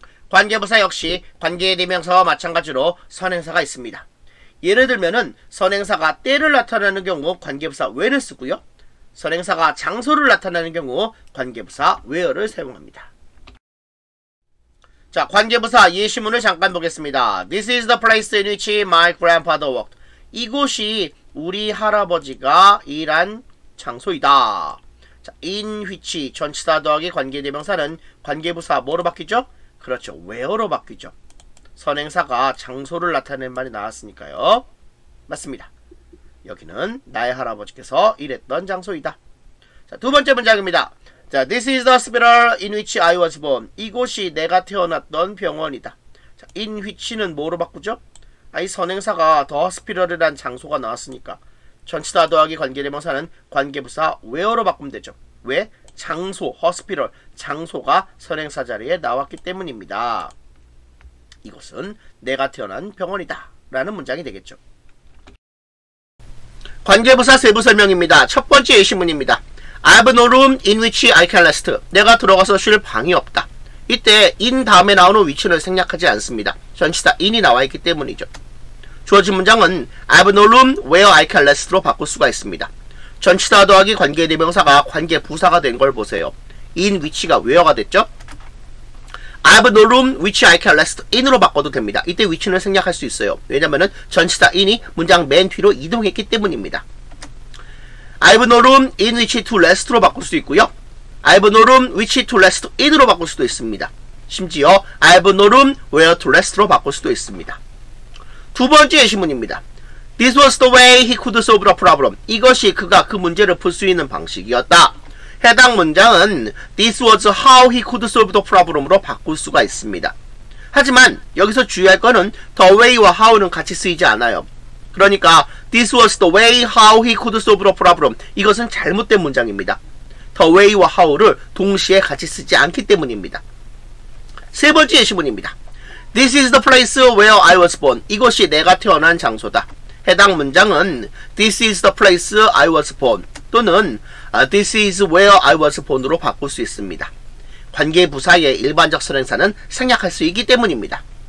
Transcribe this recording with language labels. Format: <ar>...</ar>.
<ko>관계부사 역시 관계대명사와 마찬가지로 선행사가 있습니다. 예를 들면은 선행사가 때를 나타내는 경우 관계부사 when을 쓰고요. 선행사가 장소를 나타내는 경우 관계부사 where를 사용합니다. 자, 관계부사 예시문을 잠깐 보겠습니다.</ko> <en>This is the place in which my grandfather worked.</en> <ko>이곳이 우리 할아버지가 일한 장소이다. 자, in which, 전치사 더하기 관계대명사는 관계부사 뭐로 바뀌죠? 그렇죠, where로 바뀌죠. 선행사가 장소를 나타내는 말이 나왔으니까요. 맞습니다. 여기는 나의 할아버지께서 일했던 장소이다. 자, 두 번째 문장입니다.</ko> <en>자, This is the hospital in which I was born.</en> <ko>이곳이 내가 태어났던 병원이다. 자, in which는 뭐로 바꾸죠? 아니, 선행사가 the hospital이라는 장소가 나왔으니까 전치사 더하기 관계대명사는 관계부사 where로 바꾸면 되죠. 왜? 장소, hospital, 장소가 선행사 자리에 나왔기 때문입니다. 이곳은 내가 태어난 병원이다 라는 문장이 되겠죠. 관계부사 세부 설명입니다. 첫 번째 예시문입니다.</ko> <en>I have no room in which I can rest.</en> <ko>내가 들어가서 쉴 방이 없다. 이때 in 다음에 나오는 위치는 생략하지 않습니다. 전치사 in이 나와있기 때문이죠. 주어진 문장은</ko> <en>I have no room where I can rest로 바꿀 수가 있습니다.</en> <ko>전치사 더하기 관계대명사가 관계부사가 된 걸 보세요.</ko> <en>in which가 where가 됐죠? I have no room which I can rest in으로</en> <ko>바꿔도 됩니다. 이때 위치는 생략할 수 있어요. 왜냐면은 전치사 in이 문장 맨 뒤로 이동했기 때문입니다.</ko> <en>I have no room in which to rest로 바꿀 수 있고요. I have no room which to rest in으로</en> <ko>바꿀 수도 있습니다.</ko> <en>심지어 I have no room where to rest로 바꿀 수도 있습니다.</en> <ko>두 번째 예시문입니다.</ko> <en>This was the way he could solve the problem.</en> <ko>이것이 그가 그 문제를 풀 수 있는 방식이었다. 해당 문장은</ko> <en>This was how he could solve the problem으로 바꿀 수가 있습니다.</en> <ko>하지만 여기서 주의할 것은 the way와 how는 같이 쓰이지 않아요.</ko> <en>그러니까 This was the way how he could solve the problem.</en> <ko>이것은 잘못된 문장입니다. The way와 how를 동시에 같이 쓰지 않기 때문입니다. 세 번째 예시문입니다.</ko> <en>This is the place where I was born.</en> <ko>이것이 내가 태어난 장소다. 해당 문장은</ko> <en>This is the place I was born 또는 This is where I was born으로 바꿀 수 있습니다.</en> <ko>관계부사의 일반적 선행사는 생략할 수 있기 때문입니다.</ko>